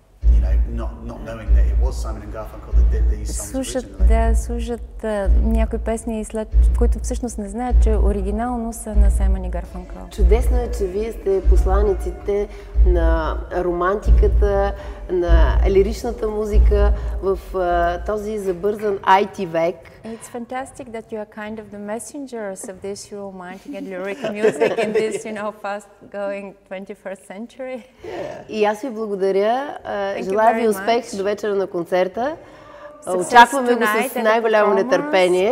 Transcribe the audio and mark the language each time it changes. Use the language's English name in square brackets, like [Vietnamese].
[English] You know, not knowing that it was Simon and Garfunkel that did these songs. [Bulgarian] Слушат някои песни, след които всъщност не знаят, че оригинално са на Саймън и Гарфанкъл. Чудесно е, че вие сте посланиците на романтиката, на лиричната музика в този забързан IT век. [English] It's fantastic that you are kind of the messengers of this romantic and lyric music in this, you know, fast going 21st century. [Bulgarian] И аз ви благодаря. Желая ви успех до вечера на концерта. Очакваме го с най-голямо нетърпение.